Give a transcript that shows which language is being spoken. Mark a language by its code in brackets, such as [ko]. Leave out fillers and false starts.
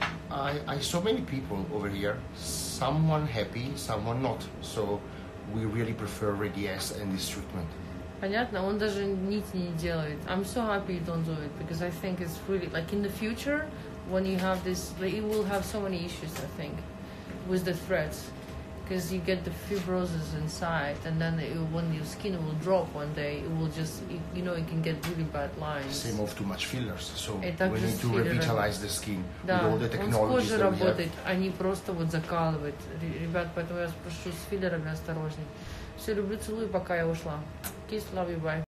[en] I saw many people over here, someone happy, someone not. So we really prefer Red Yes and this treatment. [ru] Понятно, он даже нити не делает. [en] I'm so happy you don't do it, because I think it's really, like in the future, when you have this, like, you will have so many issues, I think, with the threads. because you get the fibrosis inside, and then it, when your skin will drop one day, it will just, you know, it can get really bad lines. Same of too much fillers, so we need to revitalize the skin with all the technologies that we have. [ru] Да, они просто вот закалывают, ребят, поэтому я спрошу с филлерами осторожней. Все, люблю, целую, пока я ушла. [en] Kiss, love you, bye.